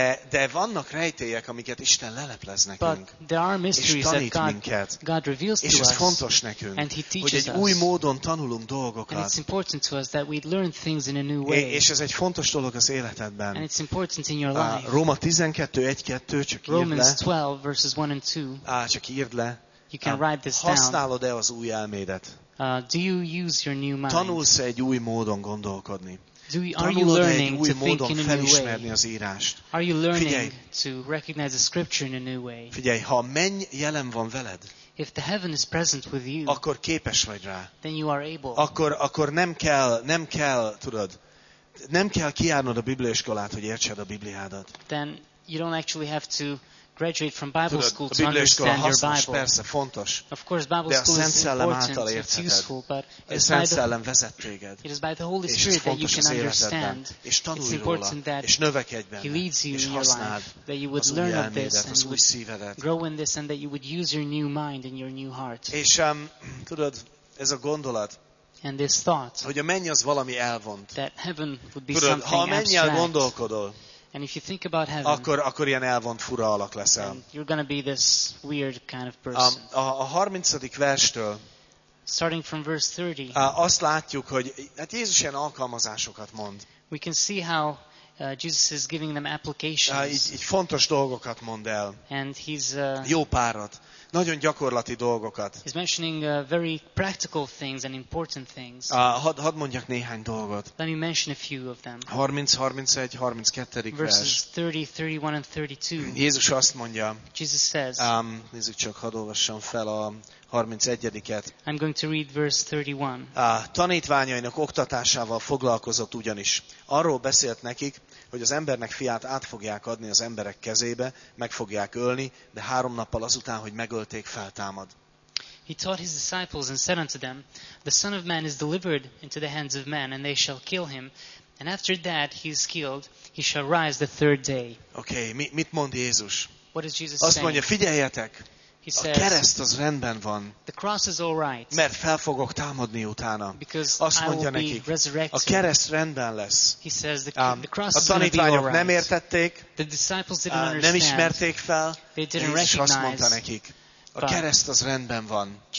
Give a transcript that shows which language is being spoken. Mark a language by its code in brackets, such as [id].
[hu] De vannak rejtélyek, amiket Isten leleplez nekünk. [en] There are mysteries [hu] és tanít minket. [en] God reveals to [hu] és ez [en] us, [hu] fontos nekünk, [en] and he teaches [hu] hogy egy [en] us. [hu] Új módon tanulunk dolgokat. [en] And it's important to us that we learn things in a new way. [hu] És ez egy fontos dolog az életedben. [en] And it's important in your life. [hu] Róma 12:1-2, csak írd le. [en] Romans 12, verses 1 and 2. [hu] Csak írd le. [en] You can write this down. [hu] Használod-e az új elmédet? [en] Do you use your new mind? [hu] Tanulsz-e egy új módon gondolkodni? [en] Are you learning to think in a new way? [hu] Az írást? [en] Are you learning to recognize the scripture in a new way? [hu] Figyelj, ha a menny jelen van veled, [en] if the heaven is present with you, [hu] akkor képes vagy rá. [en] Then you are able. [hu] Akkor nem kell, tudod, nem kell kiárnod a bibliaiskolát, hogy értsed a Bibliádat. [en] Then you don't actually have to graduate from Bible school to understand [hu] hasznos, [en] your Bible. [hu] Persze, fontos. [en] Of course, Bible school [hu] a Szent Szellem [en] is important. It's useful, but it's [hu] a Szent Szellem vezet téged. [en] It is by the Holy Spirit that you can understand. [hu] És tanulj róla. [en] It's important that he leads you in your life. That you would learn of this and would grow in this and that you would use your new mind and your new heart. [hu] És tudod, ez a gondolat, [en] and this thought, [hu] hogy a menny az valami elvont. [en] That heaven would be [hu] tudod, [en] something [hu] ha a mennyel gondolkodol, [en] and if you think about heaven, [hu] akkor ilyen elvont fura alak leszel. [en] You're going to be this weird kind of person. [hu] A 30. verstől [en] starting from verse 30, [hu] azt látjuk, hogy hát Jézus ilyen alkalmazásokat mond. [en] We can see how Jesus is giving them applications. [hu] Így fontos dolgokat mond el. [en] And he's [hu] jó párat. nagyon gyakorlati dolgokat. [en] He's mentioning very practical things and important things. [hu] Hadd mondjak néhány dolgot. [en] Let me mention a few of them. 30, 31, 32. [hu] Jézus azt mondja. [en] Jesus says. [hu] Nézzük csak, hadd olvassam fel a 31-et. [en] I'm going to read verse 31. [hu] Tanítványainak oktatásával foglalkozott ugyanis. Arról beszélt nekik, hogy az embernek fiát át fogják adni az emberek kezébe, meg fogják ölni, de 3 nappal azután, hogy megölték, feltámad. [en] He taught his disciples and said unto them, the Son of Man is delivered into the hands of men, and they shall kill him, and after that he is killed, he shall rise the third day. [hu] Okay, mit mond Jézus? [en] What is Jesus [hu] saying? Azt mondja, figyeljetek! A kereszt az rendben van, mert fel fogok támadni utána. Azt mondja nekik, a kereszt rendben lesz. A tanítványok nem értették, nem ismerték fel, és azt mondta nekik, a kereszt az rendben van.